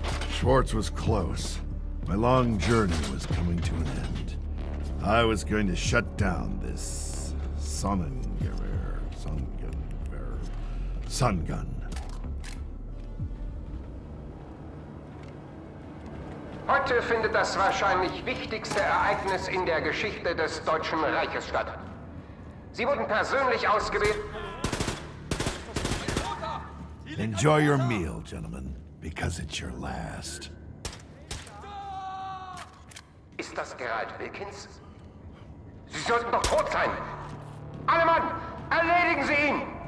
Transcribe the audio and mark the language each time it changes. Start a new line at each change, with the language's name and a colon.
English: Schwartz was close. My long journey was coming to an end. I was going to shut down this sun gun.
German: Heute findet das wahrscheinlich wichtigste Ereignis in der Geschichte des Deutschen Reiches statt. Sie wurden persönlich ausgewählt.
English: Enjoy your meal, gentlemen, because it's your last.
German: Ist das Gerald Wilkins? Sie sollten doch tot sein! Alle Mann, erledigen Sie ihn!